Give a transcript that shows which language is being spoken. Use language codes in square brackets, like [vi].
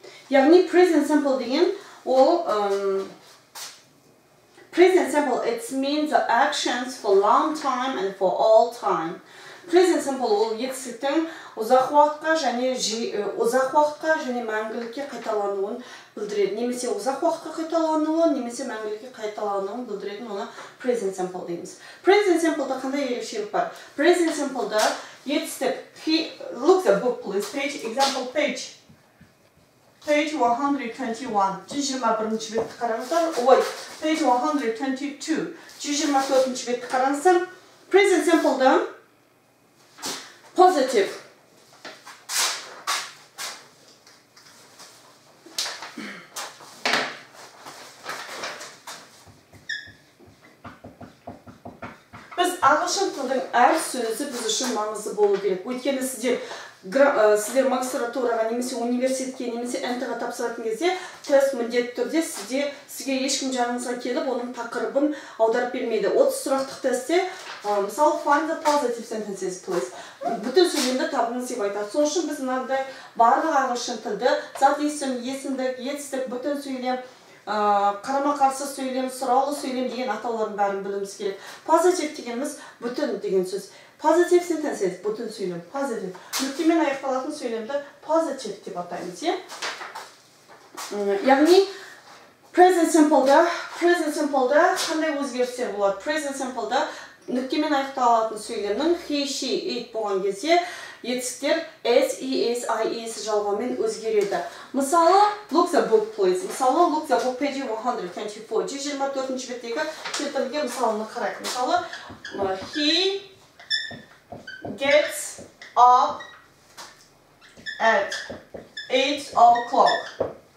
[kk] Яғни present simple деген ол [en] present simple it means the actions for long time and for all time. [kk] Present simple ол етістіктің ұзақ уақытқа және ұзақ уақытқа және мәңгілікке қайталануын білдіреді. Немесе ұзақ уақытқа қайталануын, немесе мәңгілікке қайталануын білдіретін оны present simple дейміз. Present simple-да қандай ерекшелік бар? Present simple-да етістік. [en] Look the book, please. Page, example, page. Page 121. [kk] 121-ші бетті қараңыздар. Ой, [en] page 122. [kk] 124-ші бетті қараңыздар. Present simple-да positive. Ағылшын тілдің әр сөзі біз үшін маңызды болу керек. Өйткені сіздер магистратураға, немесе университетке, немесе ент-ға тапсыратын кезде тест міндетті түрде сізге ешкім жаныңызға келіп, оның тақырыбын аударып бермейді. 30 сұрақтық тестте, мысалы, [en] find the positive sentences, please. [kk] Бүтін сөйленді табыңыз деп айтады. Сол үшін біз мынандай барлық ағылшын тілді, зат есім, есімдік, етістік, бүтін сөйлем, қарама-қарсы сөйлем, сұраулы сөйлем деген атауларын бәрін білуіміз керек. Позитив дегеніміз бүтін деген сөз. Позитив сентенсес, бүтін сөйлем, позитив. Нүктемен аяқталатын сөйлемді позитив деп атаймыз, е? Яғни present simple-да қандай өзгерістер болады? Present simple-да нүктемен аяқталатын сөйлемнің he, she, it болған кезде етістіктер s, e, s, i, e, s жалғаумен өзгереді. [en] Мысалы, look the book, please. Мысалы, look the book, page 124. [kk] 124-ші беттегі келтірілген мысалыны қарайық. [en] Мысалы, he gets up at 8 o'clock.